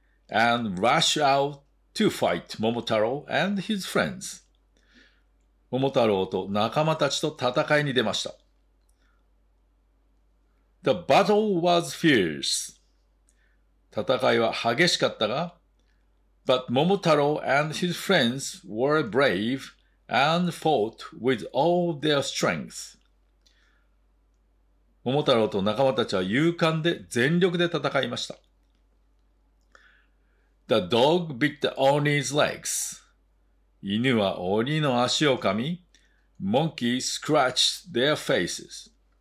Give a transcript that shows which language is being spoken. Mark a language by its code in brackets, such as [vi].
[en] and rush out to fight Momotaro and his friends. [ja] 桃太郎と仲間たちと戦いに出ました。 [en] The battle was fierce. [ja] 戦いは激しかったが、 [en] but Momotaro and his friends were brave and fought with all their strength. [ja] 桃太郎と仲間たちは勇敢で全力で戦いました。 [en] The dog bit the Oni's legs. [ja] 犬は鬼の足を噛み、 [en] monkey scratched their faces.